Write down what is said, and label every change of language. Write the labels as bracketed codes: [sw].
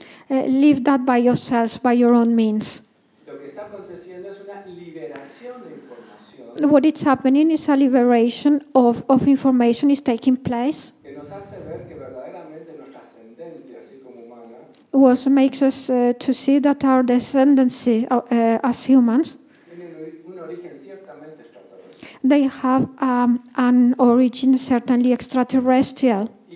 [en] Leave that by yourselves, by your own means. [es] Lo que está aconteciendo es una liberación de información. [en] What is happening is a liberation of information is taking place. [es] Que nos hace ver que verdaderamente nuestra ascendencia, así como humana, [en] what makes us to see that our descendancy as humans, they have an origin certainly extraterrestrial.